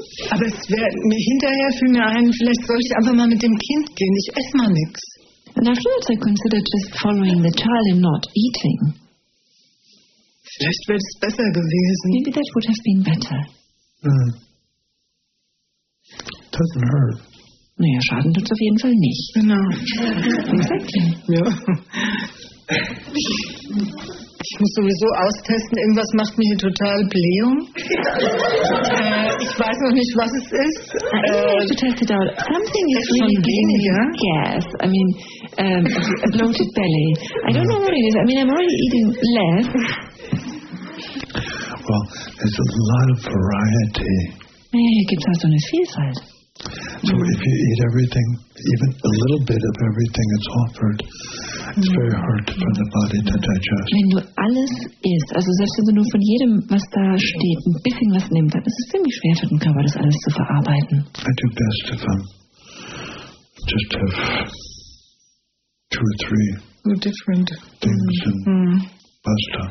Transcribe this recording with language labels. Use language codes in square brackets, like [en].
[de] Aber es wäre mir hinterher fiel mir ein, vielleicht soll ich einfach mal mit dem Kind gehen. Ich esse mal nichts. [en] And afterwards I considered just following the child and not eating. [de] Vielleicht wäre es besser gewesen. [en] Maybe that would have been better. Mm. Doesn't hurt. [de] Naja, schaden tut es auf jeden Fall nicht. Genau. [en] Exactly. [de] Ja. Ich muss sowieso austesten, irgendwas macht mich hier total Blähung. Ich weiß noch nicht, was es ist. [en] To test it out. Something is really giving me gas. I mean, a bloated belly. I don't know what it is. I mean, I'm already eating less. Well, there's a lot of variety. [de] Naja, hier gibt es auch so eine Vielfalt. [en] So if you eat everything, even a little bit of everything that's offered, it's very hard for the body to digest. [de] Wenn du alles isst, also selbst wenn du nur von jedem, was da steht, ein bisschen was nimmst, dann ist es ziemlich schwer für den Körper, das alles zu verarbeiten. [en] I do best if I just have 2 or 3 different things and pasta.